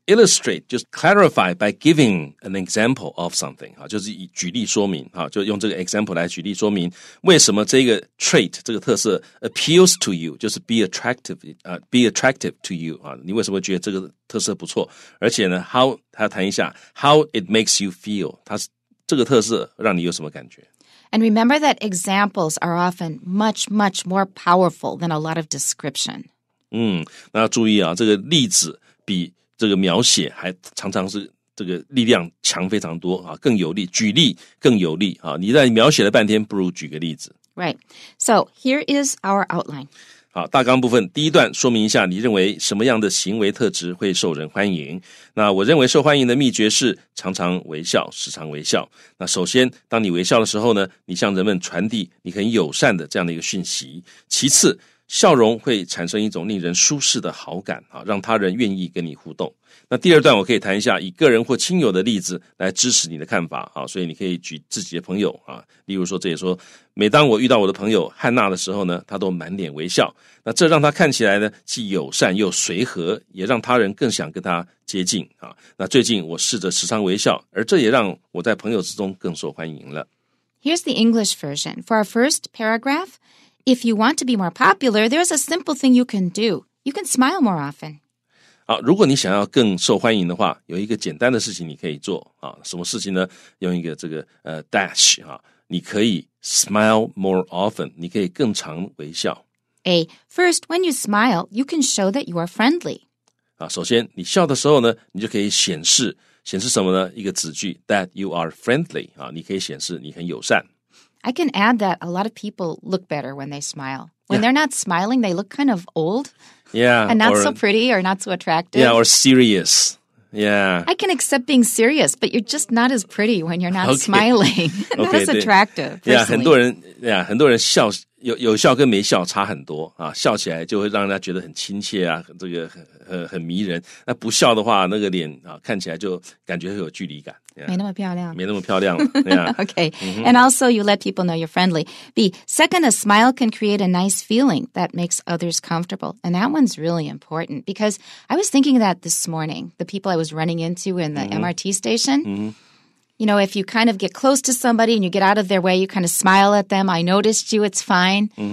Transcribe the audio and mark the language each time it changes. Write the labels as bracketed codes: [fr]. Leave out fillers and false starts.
[zh] illustrate 就是 clarify by giving an example of something 啊，就是以举例说明啊，就用这个 example 来举例说明为什么这个 trait 这个特色 appeals to you，就是 be attractive to you 啊，你为什么觉得这个？特色不错，而且呢 ，how 他谈一下 how it makes you feel，他这个特色让你有什么感觉 [en] ？And remember that examples are often much much more powerful than a lot of description. [zh] 嗯，那要注意啊，这个例子比这个描写还常常是这个力量强非常多啊，更有力，举例更有力啊。你在描写了半天，不如举个例子。 [en] Right. So here is our outline. [zh] 好，大纲部分第一段说明一下你认为什么样的行为特质会受人欢迎。那我认为受欢迎的秘诀是常常微笑，时常微笑。那首先当你微笑的时候呢，你向人们传递你很友善的这样的一个讯息。其次，笑容会产生一种令人舒适的好感，让他人愿意跟你互动。那第二段我可以谈一下以个人或亲友的例子来支持你的看法，所以你可以举自己的朋友，例如说这也说每当我遇到我的朋友汉娜的时候呢，她都满脸微笑，那这让她看起来呢既友善又随和，也让他人更想跟她接近。那最近我试着时常微笑，而这也让我在朋友之中更受欢迎了。 [en] Here's the English version. For our first paragraph, if you want to be more popular, there's a simple thing you can do. You can smile more often. [zh] 如果你想要更受欢迎的话，有一个简单的事情你可以做啊，什么事情呢？用一个这个dash 啊，你可以 smile more often，你可以更常微笑。 [en] A first, when you smile, you can show that you are friendly. [zh] 首先你笑的时候呢，你就可以显示什么呢？一个子句 that you are friendly 啊，你可以显示你很友善。 [en] I can add that a lot of people look better when they smile. When they're not smiling, they look kind of old. Yeah. And not so pretty or not so attractive. Yeah, or serious. Yeah. I can accept being serious, but you're just not as pretty when you're not smiling. not as attractive, personally. [zh] Yeah, 很多人笑有笑跟没笑差很多啊，笑起来就会让人家觉得很亲切啊，这个很迷人。那不笑的话，那个脸啊看起来就感觉会有距离感， yeah, 没那么漂亮，没那么漂亮了。 [en] Okay, and also you let people know you're friendly. B, second, a smile can create a nice feeling that makes others comfortable, and that one's really important because I was thinking that this morning, the people I was running into in the MRT station. You know, if you kind of get close to somebody and you get out of their way, you kind of smile at them, I noticed you, it's fine.